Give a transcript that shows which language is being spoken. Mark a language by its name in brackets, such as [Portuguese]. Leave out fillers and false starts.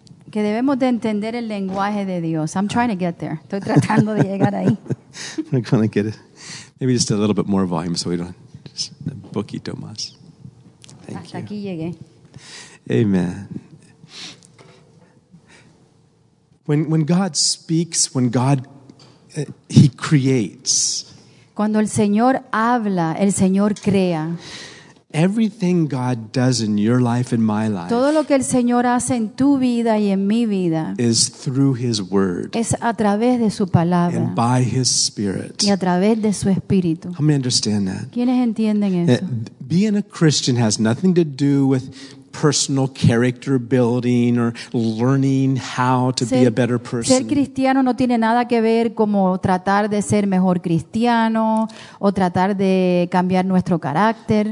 [Spanish] Que debemos de entender el lenguaje de Dios. [English] I'm trying to get there. [Spanish] Estoy tratando de llegar ahí. [English] We're going to get it. Maybe just a little bit more volume so we don't. [Spanish] Un poquito más. [English] Thank [Spanish] Hasta aquí [English] you. [Spanish] Llegué. [English] Amen. When God speaks, when God he creates. [Spanish] Cuando el Señor habla, el Señor crea. [English] Everything God does in your life and my life. [Spanish] Todo lo que el Señor hace en tu vida y en mi vida. [English] Is through his word. [Spanish] Es a través de su palabra. [English] And by his spirit. [Spanish] Y a través de su espíritu. [English] How many understand that? [Spanish] ¿Quiénes entienden eso? [English] Being a Christian has nothing to do with personal character building or learning how to be a better person. [Spanish] Ser cristiano no tiene nada que ver como tratar de ser mejor cristiano o tratar de cambiar nuestro carácter.